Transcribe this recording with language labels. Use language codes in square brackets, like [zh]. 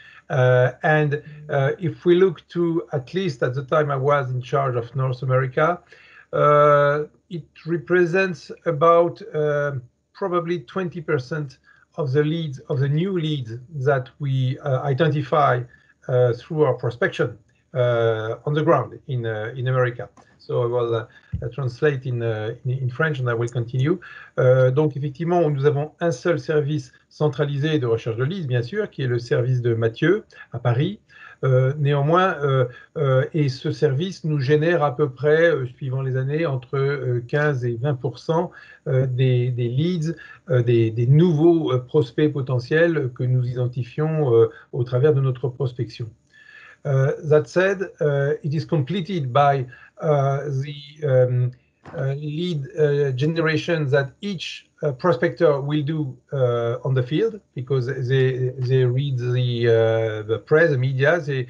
[en] And if we look to, at least at the time I was in charge of North America, it represents about probably 20% of the leads, of the new leads that we identify through our prospection on the ground in America. So I will translate in French and I will continue. [fr] Donc effectivement, nous avons un seul service centralisé de recherche de leads, bien sûr, qui est le service de Mathieu à Paris. Et ce service nous génère à peu près, suivant les années, entre 15 et 20% des leads, des nouveaux prospects potentiels que nous identifions au travers de notre prospection. [en] That said, it is completed by lead generation that each prospector will do on the field, because they read the press, the media.